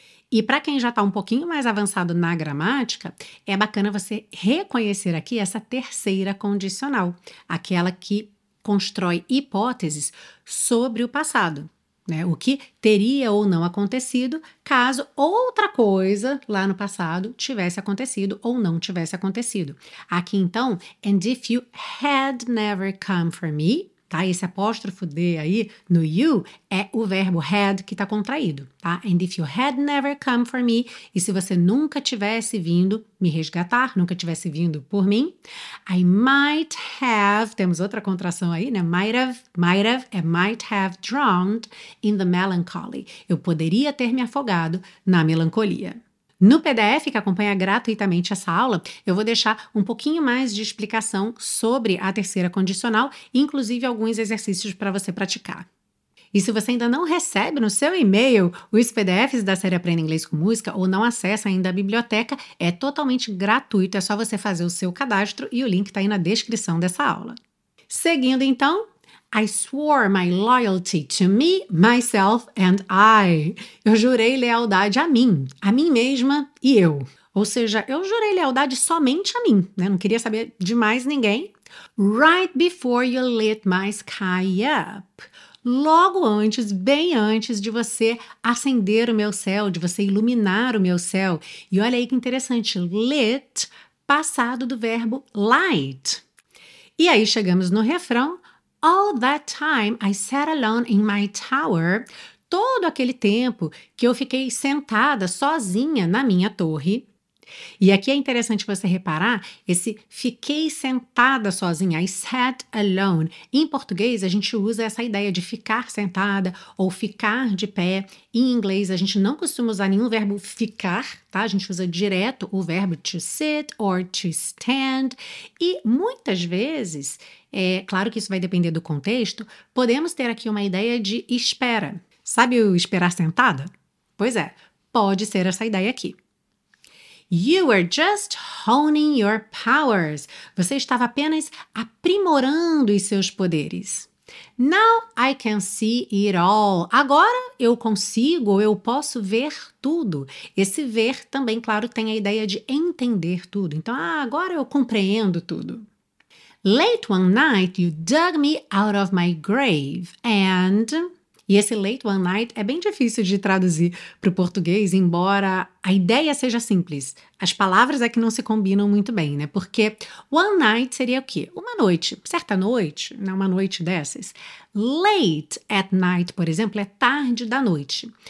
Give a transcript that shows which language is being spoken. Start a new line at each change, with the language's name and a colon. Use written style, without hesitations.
Portuguese: E para quem já está um pouquinho mais avançado na gramática, é bacana você reconhecer aqui essa terceira condicional, aquela que constrói hipóteses sobre o passado, né? O que teria ou não acontecido caso outra coisa lá no passado tivesse acontecido ou não tivesse acontecido. Aqui então,
English: and if you had never come for me,
Portuguese: tá? Esse apóstrofo D aí no you é o verbo had que está contraído, tá?
English: And if you had never come for me,
Portuguese: e se você nunca tivesse vindo me resgatar, nunca tivesse vindo por mim,
English: I might have,
Portuguese: temos outra contração aí, né?
English: Might have
Portuguese: é
English: might have drowned in the melancholy.
Portuguese: Eu poderia ter me afogado na melancolia. No PDF, que acompanha gratuitamente essa aula, eu vou deixar um pouquinho mais de explicação sobre a terceira condicional, inclusive alguns exercícios para você praticar. E se você ainda não recebe no seu e-mail os PDFs da série Aprenda Inglês com Música ou não acessa ainda a biblioteca, é totalmente gratuito, é só você fazer o seu cadastro e o link está aí na descrição dessa aula. Seguindo então,
English: I swore my loyalty to me, myself, and I.
Portuguese: Eu jurei lealdade a mim mesma e eu. Ou seja, eu jurei lealdade somente a mim, né? Não queria saber de mais ninguém.
English: Right before you lit my sky up.
Portuguese: Logo antes, bem antes de você acender o meu céu, de você iluminar o meu céu. E olha aí que interessante, lit, passado do verbo light. E aí chegamos no refrão.
English: All that time I sat alone in my tower,
Portuguese: todo aquele tempo que eu fiquei sentada sozinha na minha torre. E aqui é interessante você reparar esse fiquei sentada sozinha,
English: I sat alone.
Portuguese: Em português, a gente usa essa ideia de ficar sentada ou ficar de pé. Em inglês, a gente não costuma usar nenhum verbo ficar, tá? A gente usa direto o verbo
English: to sit or to stand.
Portuguese: E muitas vezes, é claro que isso vai depender do contexto, podemos ter aqui uma ideia de espera. Sabe o esperar sentada? Pois é, pode ser essa ideia aqui.
English: You were just honing your powers.
Portuguese: Você estava apenas aprimorando os seus poderes.
English: Now I can see it all.
Portuguese: Agora eu consigo, eu posso ver tudo. Esse ver também, claro, tem a ideia de entender tudo. Então, agora eu compreendo tudo.
English: Late one night, you dug me out of my grave and...
Portuguese: E esse
English: late one night
Portuguese: é bem difícil de traduzir para o português, embora a ideia seja simples. As palavras é que não se combinam muito bem, né? Porque
English: one night
Portuguese: seria o quê? Uma noite, certa noite, né? Uma noite dessas.
English: Late at night,
Portuguese: por exemplo, é tarde da noite.